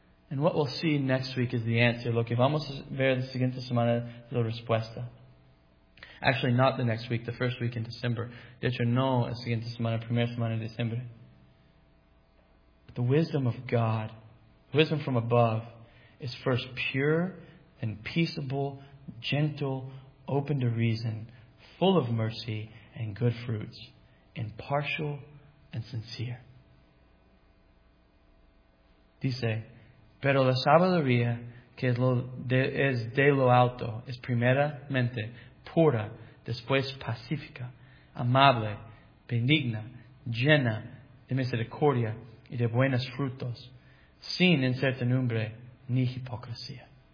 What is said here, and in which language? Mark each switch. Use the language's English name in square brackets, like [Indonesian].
[English] And what we'll see next week is the answer. [Spanish] Lo que vamos a ver la siguiente semana es la respuesta. Actually, not the next week, the first week in December. De hecho, no la siguiente semana, la primera semana de diciembre. [English] But the wisdom of God, wisdom from above, is first pure and peaceable, gentle, open to reason, full of mercy and good fruits, impartial and sincere. [Spanish] Dice, pero la sabiduría que es de lo alto es primeramente pura, después pacífica, amable, benigna, llena de misericordia y de buenos frutos, sin incertidumbre ni hipocresía.